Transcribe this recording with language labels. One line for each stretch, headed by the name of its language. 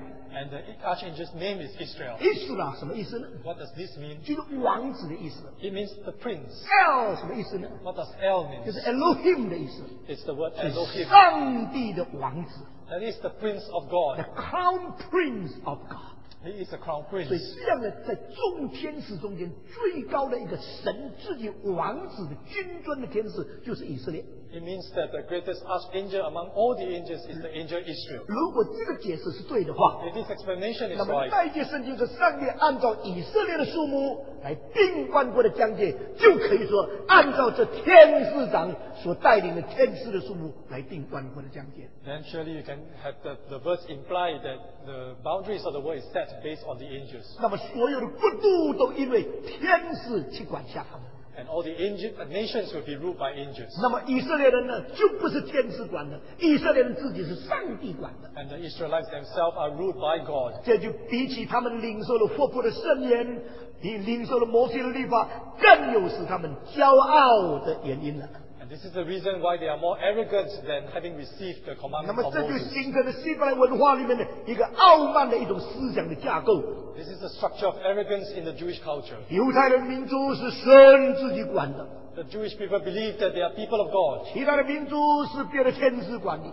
English: And the archangel's name is Israel.
Chinese: Israel 什么意思呢?
English: What does this mean?
Chinese: 就是王子的意思。
English: It means the prince.
Chinese: El 什么意思呢?
English: What does El mean?
Chinese: 就是 Elohim 的意思。
English: It's the word Elohim.
Chinese: 上帝的王子。
English: That is the prince of God. The crown prince of God. He is the crown prince.
Chinese: 所以这样的在众天使中间最高的一个神自己王子的君尊的天使就是以色列。
English: It means that the greatest archangel among all the angels is the angel Israel.
Chinese: 如果这个解释是对的话,
English: if this explanation is right,
Chinese: 那么代界圣经是上帝按照以色列的数目来定万国的疆界，就可以说按照这天使长所带领的天使的数目来定万国的疆界。
English: Then surely you can have the verse imply that the boundaries of the world is set based on the angels.
Chinese: 那么所有的国度都因为天使去管辖他们。
English: And all the angel, nations will be ruled by angels.
Chinese: 那么以色列人呢, 就不是天使管的, 以色列人自己是上帝管的。
English: And the Israelites themselves are ruled by God.
Chinese: 这就比起他们领受了活泼的圣言, 领受了摩西的律法, 更有使他们骄傲的原因了。
English: And this is the reason why they are more arrogant than having received the commandment of Moses. This is the structure of arrogance in the Jewish culture. The Jewish people believe that they are people of God.